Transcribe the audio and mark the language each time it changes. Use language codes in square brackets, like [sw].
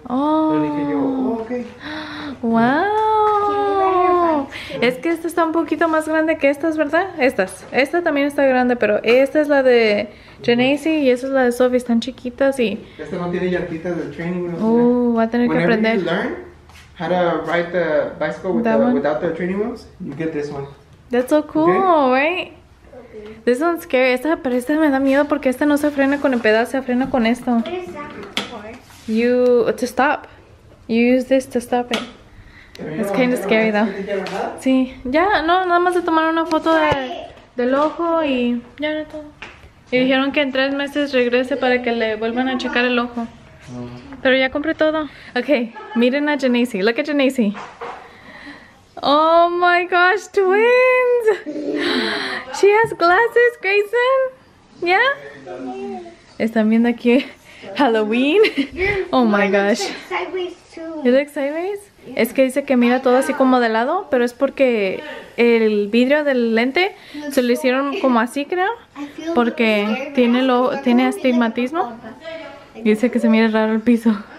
[es] Oh. Le dije yo, oh, ok. ¡Wow! Es que esta está un poquito más grande que estas, ¿verdad? Estas. Esta también está grande, pero esta es la de Genesee y esta es la de Sophie. Están chiquitas y... Esta no tiene llantitas de training. No sé. Va a tener [en] whenever [es] que aprender. [en] You learn how to ride the bicycle without the training wheels, you get this one. That's so cool, okay? Right? This one's scary. [es] Esta, pero esta me da miedo porque esta no se frena con el pedal, se frena con esto. [en] What is that for? To stop. You use this to stop it. It's kind of scary though. [es] Sí. Ya, no, nada más de tomar una foto del ojo y ya era todo. Y dijeron que en 3 meses regrese para que le vuelvan a checar el ojo. Pero ya compré todo. Okay, miren a Genesee. [en] Look at Genesee. Oh my gosh, twins! She has glasses, Grayson? Yeah? [es] Están viendo aquí Halloween. [en] Oh my gosh. You look sideways? [es] Es que dice que mira todo así como de lado, pero es porque el vidrio del lente se lo hicieron como así, creo. Porque tiene astigmatismo. Dice que se mira raro el piso.